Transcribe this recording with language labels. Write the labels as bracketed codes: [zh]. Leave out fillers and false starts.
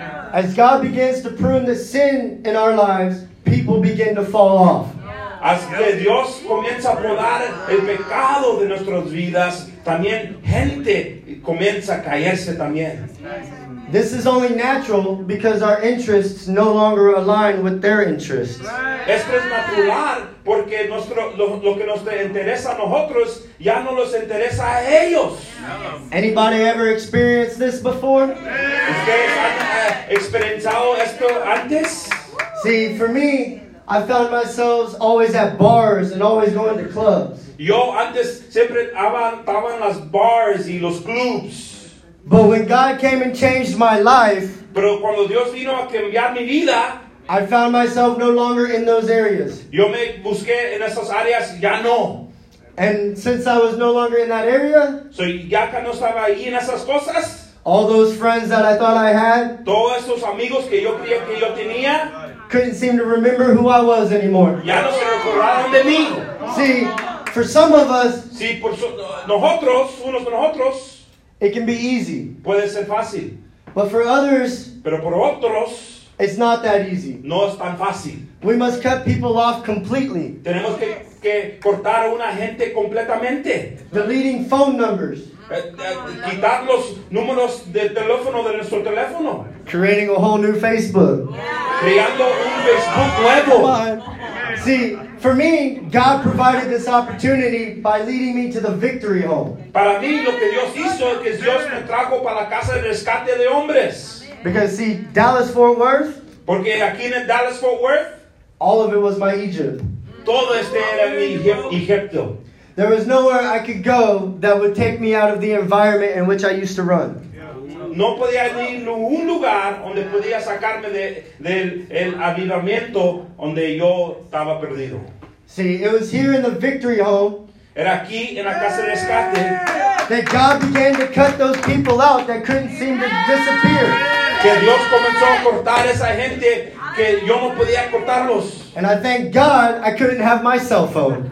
[en] As God begins to prune the sin in our lives, people begin to fall off. [es] As Dios comienza a podar el pecado de nuestras vidas, también gente comienza a caerse también. [en] This is only natural because our interests no longer align with their interests. [es] Esto es natural porque lo que nos interesa a nosotros ya no nos interesa a ellos. [en] Anybody ever experienced this before? [es] ¿Ustedes han experimentado esto antes? [en] See, for me, I found myself always at bars and always going to clubs. [es] Yo antes siempre estaba en las bars y los clubs. [en] But when God came and changed my life, [es] pero cuando Dios vino a cambiar mi vida, [en] I found myself no longer in those areas. [es] Yo me busqué en esas áreas, ya no. [en] And since I was no longer in that area, [es] so ya que no estaba ahí en esas cosas, [en] all those friends that I thought I had, [es] todos esos amigos que yo creía que yo tenía, [en] couldn't seem to remember who I was anymore. [es] Ya no se recordaron de mí. [en] See, for some of us, [es] sí, por nosotros, unos de nosotros, [en] it can be easy. [es] Puede ser fácil. [en] But for others, [es] pero por otros, [en] it's not that easy. [es] No es tan fácil. [en] We must cut people off completely. [es] Tenemos que cortar a una gente completamente. [en] Deleting phone numbers. [es] Quitar los números de teléfono de nuestro teléfono. [en] Creating a whole new Facebook. [es] Creando un Facebook nuevo. [en] See, for me, God provided this opportunity by leading me to the victory home. [es] Para mí, lo que Dios hizo es que Dios me trajo para la casa de rescate de hombres. [en] Because see, Dallas Fort Worth. [es] Porque aquí en Dallas Fort Worth, [en] all of it was my Egypt. [es] Todo este era mi Egipto. [en] There was nowhere I could go that would take me out of the environment in which I used to run. [es] No podía ir a un lugar donde podía sacarme del avivamiento donde yo estaba perdido. [en] See, it was here in the victory home. [es] Era aquí en la casa de rescate. [en] That God began to cut those people out that couldn't seem to disappear. [es] Que Dios comenzó a cortar esa gente que yo no podía cortarlos. [en] And I thank God I couldn't have my cell phone.